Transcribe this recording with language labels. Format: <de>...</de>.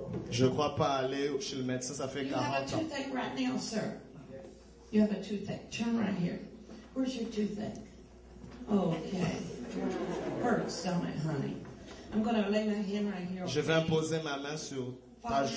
<fr>Je crois pas aller chez le médecin, ça fait 40 ans.</fr> <en>You have a toothache right now, sir. You have a toothache. Turn right here. Where's your toothache? Okay. Hurts, don't it, honey? I'm going to lay my hand right here. Okay?</en> <fr>Je vais poser ma main sur ta joue.</fr>